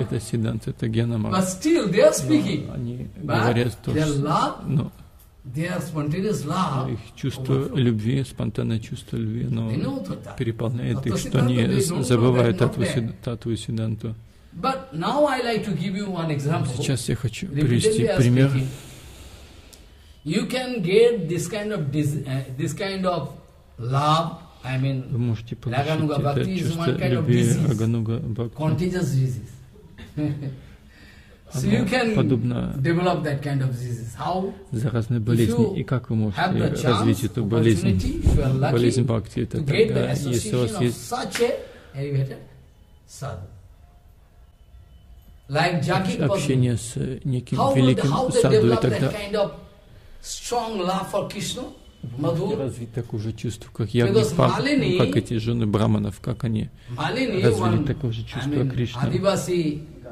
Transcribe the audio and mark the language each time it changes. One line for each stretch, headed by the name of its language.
Russian: Это Сиддханта, это Ганамар.
English: But still they are speaking.
Russian: Они говорят то, что
English: they are spontaneous love.
Russian: Их чувство любви, спонтанное чувство любви, но переполняет их, что они забывают Татву Сиддханту.
English: But now I like to give you one example.
Russian: Сейчас я хочу привести пример.
English: You can get this kind of love. I mean,
Russian: вы можете получить это чувство любви Рагануга Бхакти.
English: Contagious disease. So you can develop that kind of diseases. How?
Russian: Заразные болезни. И как вы можете развить эту болезнь? Болезнь бхакти. Это тогда, если у вас есть общение с неким великим саду, и тогда развить такое же чувство, как я, как эти жены брахманов, как они развили такое же чувство Кришны.